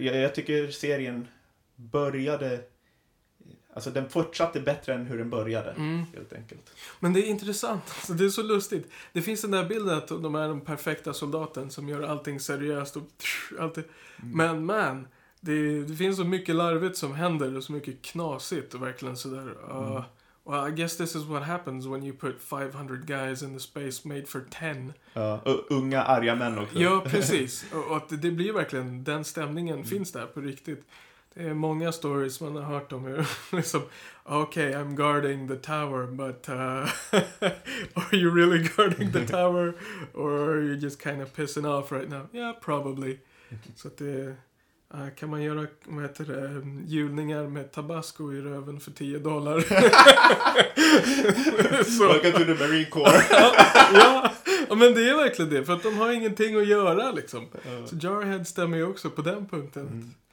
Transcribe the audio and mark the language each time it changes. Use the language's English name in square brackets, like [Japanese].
[Swedish] Jag tycker serien började, alltså den fortsatte bättre än hur den började, helt enkelt. Men det är intressant, alltså, det är så lustigt. Det finns den där bilden att de är den perfekta soldaten som gör allting seriöst och alltid. Men det finns så mycket larvigt som händer och så mycket knasigt och verkligen sådär. [English] Well, I guess this is what happens when you put 500 guys in the space made for 10. [Swedish] Unga, arga män också. Ja, precis. Och det blir verkligen, den stämningen finns där på riktigt. Det är många stories man har hört om hur liksom, [English] okay, I'm guarding the tower, but are you really guarding the tower? Or are you just kind of pissing off right now? Yeah, probably. [Swedish] Så att det, kan man göra, vad heter det, julningar med tabasco i röven för $10? [English] Welcome to the Marine Corps. [Swedish] ja, men det är verkligen det, för att de har ingenting att göra liksom. Så Jarhead stämmer ju också på den punkten.